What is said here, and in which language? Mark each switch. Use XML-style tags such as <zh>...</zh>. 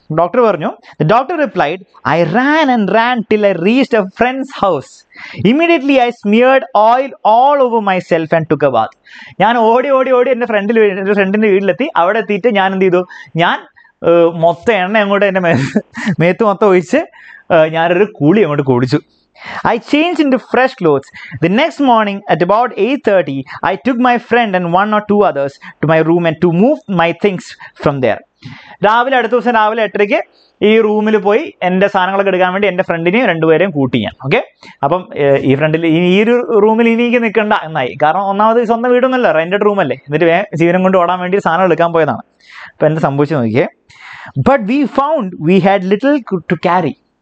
<ml>Doctor പറഞ്ഞു,</ml> <en>The doctor replied, I ran and ran till I reached a friend's house. Immediately I smeared oil all over myself and took a bath.</en> <ml>ഞാൻ ഓടി ഓടി ഓടി എൻ്റെ ഫ്രണ്ടിൽ എൻ്റെ ഫ്രണ്ടിൻ്റെ വീട്ടിലെത്തി. അവിടെ എത്തിയിട്ട് ഞാൻ എന്ത് ചെയ്തു, ഞാൻ മൊത്തം എണ്ണ അങ്ങോട്ട് എൻ്റെ മേത്ത് മൊത്തം ഒഴിച്ച് ഞാനൊരു കൂളി അങ്ങോട്ട് കുടിച്ചു.</ml> <en>I changed into fresh clothes. The next morning at about 8:30, I took my friend and one or two others to my room and to move my things from there.</en> <ml>രാവിലെ അടുത്ത ദിവസം രാവിലെ 8:00 ഈ റൂമിൽ പോയി എൻ്റെ സാധനങ്ങളൊക്കെ എടുക്കാൻ വേണ്ടി എൻ്റെ ഫ്രണ്ടിനെയും രണ്ടുപേരെയും കൂട്ടി ഞാൻ. ഓക്കെ, അപ്പം ഈ ഫ്രണ്ടിൽ ഈ ഒരു റൂമിൽ ഇനിക്ക് നിൽക്കണ്ട എന്നായി. കാരണം ഒന്നാമത് സ്വന്തം വീടൊന്നുമല്ലേ, റെൻറ്റഡ് റൂമല്ലേ, എന്നിട്ട് ജീവനം കൊണ്ട് ഓടാൻ വേണ്ടി സാധനം എടുക്കാൻ പോയതാണ്. അപ്പം എന്നെ സംഭവിച്ചു നോക്കിയേ,</ml> <en>But we found we had little to carry.</en>